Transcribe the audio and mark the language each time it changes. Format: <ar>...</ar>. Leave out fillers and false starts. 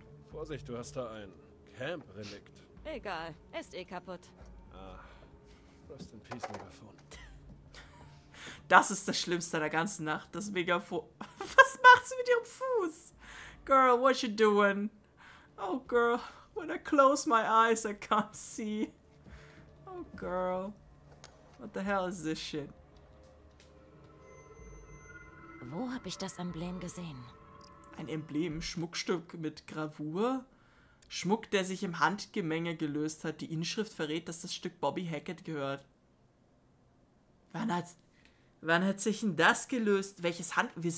<de>Vorsicht, du hast da ein Camp-Relikt. Egal, ist eh kaputt. Ah,</de> <en>rest in peace,</en> <de>Megafon. Das ist das Schlimmste der ganzen Nacht, das Megafon. Was macht sie mit ihrem Fuß?</de> <en>Girl, what you doing? Oh, girl, when I close my eyes, I can't see. Oh, girl. What the hell is this shit?</en> <de>Wo habe ich das Emblem gesehen? Ein Emblem, Schmuckstück mit Gravur. Schmuck, der sich im Handgemenge gelöst hat. Die Inschrift verrät, dass das Stück Bobby Hackett gehört. Wann hat sich denn das gelöst? Welches Hand...</de>